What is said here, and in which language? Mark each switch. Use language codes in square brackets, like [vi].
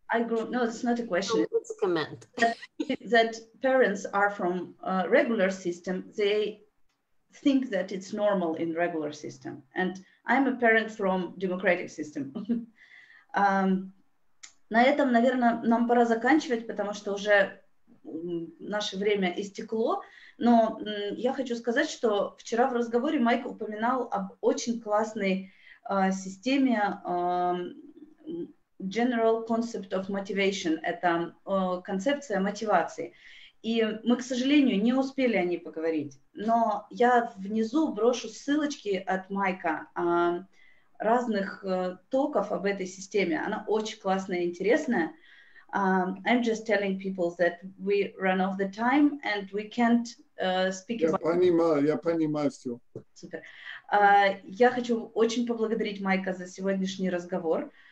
[en] I grew up, no, it's not a question. No, it's a comment. that parents are from a regular system, they think that it's normal in regular system. And I'm a parent from democratic system. [ru] На этом, наверное, нам пора заканчивать, потому что уже наше время истекло. Но я хочу сказать, что вчера в разговоре Майк упоминал об очень классной системе General Concept of Motivation. Это концепция мотивации. И мы, к сожалению, не успели о ней поговорить. Но я внизу брошу ссылочки от Майка разных токов об этой системе. Она очень классная и интересная. [en] I'm just telling people that we run off the time and we can't speak about... [ru] Я понимаю все. Супер. Я хочу очень поблагодарить Майка за сегодняшний разговор.